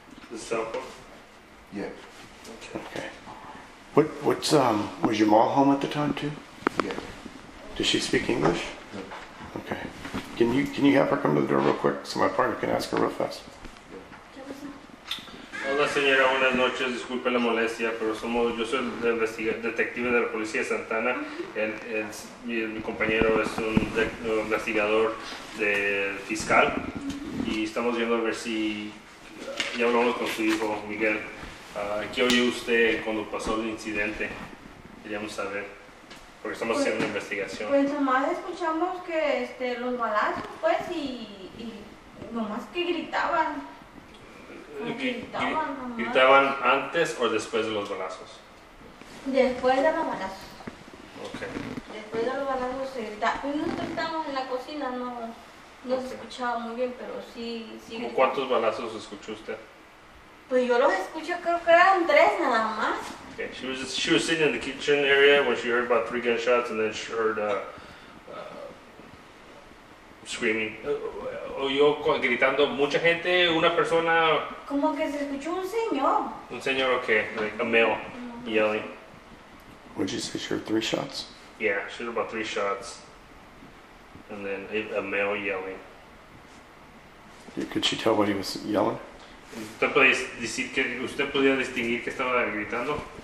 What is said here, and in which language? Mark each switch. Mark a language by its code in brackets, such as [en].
[en] The cell phone? Yeah. Okay. What's was your mom home at the time too? Yeah. Does she speak English? No. Okay. Can you have her come to the door real quick so my partner can ask her real fast? [es] Hola señora, buenas noches, disculpe la molestia, pero somos, yo soy el detective de la policía de Santana. Mi compañero es un investigador de fiscal y estamos viendo a ver si ya hablamos con su hijo Miguel. ¿Qué oyó usted cuando pasó el incidente? Queríamos saber. Porque estamos haciendo una investigación. Pues nomás escuchamos que los balazos, pues, y nomás que gritaban. ¿Gritaban antes o después de los balazos? Después de los balazos. Ok. Después de los balazos se gritaba. Nosotros estábamos en la cocina, no se escuchaba muy bien, pero sí. ¿Cómo cuántos balazos escuchó usted? Pues yo los escuché, creo que eran 3 nada más. Okay. [en] She was sitting in the kitchen area when she heard about 3 gunshots and then she heard screaming. [es] Oyó gritando mucha gente, una persona. Como que se escuchó un señor. Un señor, [en] okay, like a male mm-hmm. yelling. Would you say she heard 3 shots? Yeah, she heard about 3 shots, and then a male yelling. Could she tell what he was yelling? [es] ¿Usted puede decir que usted podía distinguir que estaba gritando?